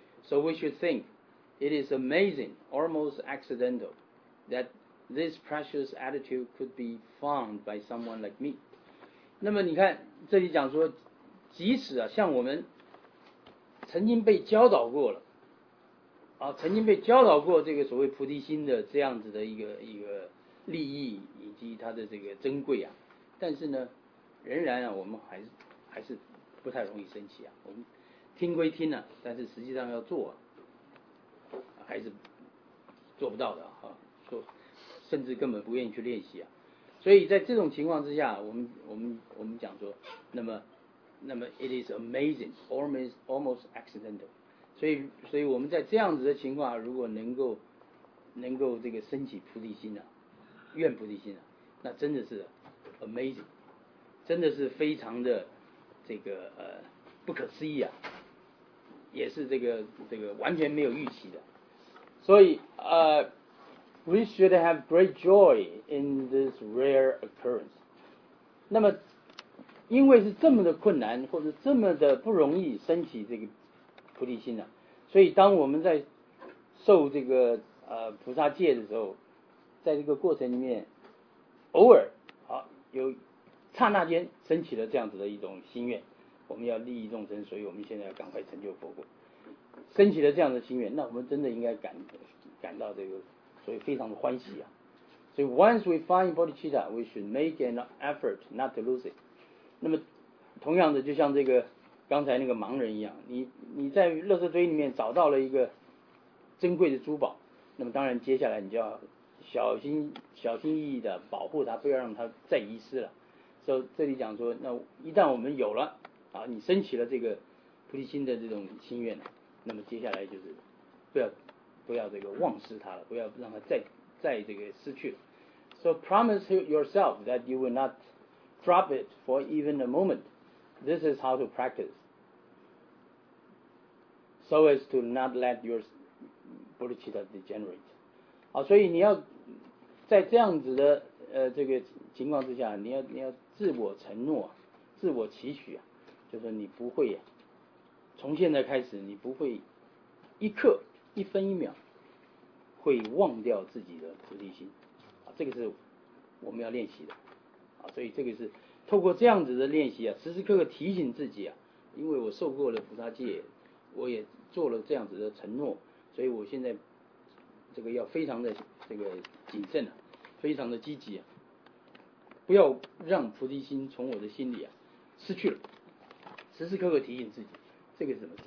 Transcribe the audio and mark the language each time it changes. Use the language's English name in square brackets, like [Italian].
[English] So we should think it is amazing, almost accidental, that this precious attitude could be found by someone like me. [Chinese] 那么你看这里讲说，即使啊像我们曾经被教导过了。啊，曾经被教导过这个所谓菩提心的这样子的一个利益以及它的这个珍贵啊，但是呢，仍然啊，我们还是不太容易升起啊。我们听归听啊，但是实际上要做、啊，还是做不到的哈、啊。说甚至根本不愿意去练习啊。所以在这种情况之下，我们讲说，那么 [English] it is amazing, almost accidental。 [Chinese] 所以我们在这样子的情况，如果能够这个升起菩提心啊，愿菩提心啊，那真的是 amazing， 真的是非常的这个不可思议啊，也是这个完全没有预期的。 [English] 所以we should have great joy in this rare occurrence。 [Chinese] 那么因为是这么的困难，或者这么的不容易升起这个菩提心啊。所以当我们在受这个菩萨戒的时候，在这个过程里面偶尔好有刹那间升起了这样子的一种心愿，我们要利益众生，所以我们现在要赶快成就佛果，升起了这样的心愿，那我们真的应该感到这个，所以非常的欢喜啊。 [English] 所以 once we find bodhicitta, we should make an effort not to lose it. [Chinese] 那么同样的，就像这个刚才那个盲人一样，你在垃圾堆里面找到了一个珍贵的珠宝，那么当然接下来你就要小心翼翼的保护它，不要让它再遗失了。所以这里讲说，那一旦我们有了啊，你升起了这个菩提心的这种心愿，那么接下来就是不要这个忘失它了，不要让它再这个失去了。 [English] So promise yourself that you will not drop it for even a moment. This is how to practice. so as to not let your bodhicitta degenerate. [Chinese] 好，所以你要在这样子的这个情况之下，你要自我承诺，自我期许啊，就是你不会啊，从现在开始，你不会一刻一分一秒会忘掉自己的菩提心，啊，这个是我们要练习的，啊，所以这个是透过这样子的练习啊，时时刻刻提醒自己啊，因为我受过了菩萨戒，我也做了这样子的承诺，所以我现在这个要非常的这个谨慎啊，非常的积极啊，不要让菩提心从我的心里啊失去了，时时刻刻提醒自己，这个是什么？